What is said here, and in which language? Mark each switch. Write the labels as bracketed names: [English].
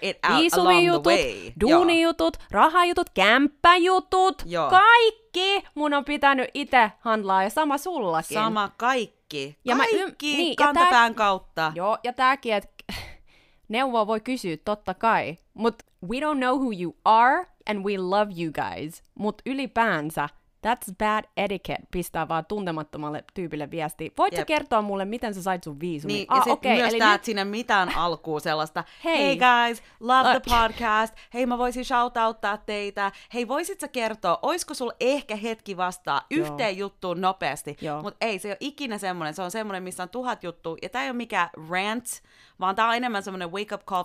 [Finnish] viisumijutut, duunijutut, rahajutut, kämppäjutut, kaikki mun on pitänyt itse handlaa, ja sama sullakin. Sama kaikki. Kantapään kautta. Joo, ja tääkin, että neuvoa voi kysyä, totta kai. [English] Mut we don't know who you are, and we love you guys. [Finnish] Mut ylipäänsä, [English] that's bad etiquette, [Finnish] pistää vaan tuntemattomalle tyypille viesti. Voit sä kertoa mulle, miten sä sait sun viisumin? Niin, ah, okay, myös tää, että sinne mitään alkuu sellaista, [English] hey guys, love the podcast, [Finnish] hei mä voisin shoutouttaa teitä, hei voisit sä kertoa, oisko sulla ehkä hetki vastaa yhteen juttuun nopeasti, mut ei, se ei ole ikinä semmonen, se on semmonen, missä on tuhat juttu, ja tää ei ole mikään rant, vaan tää on enemmän semmonen [English] wake up call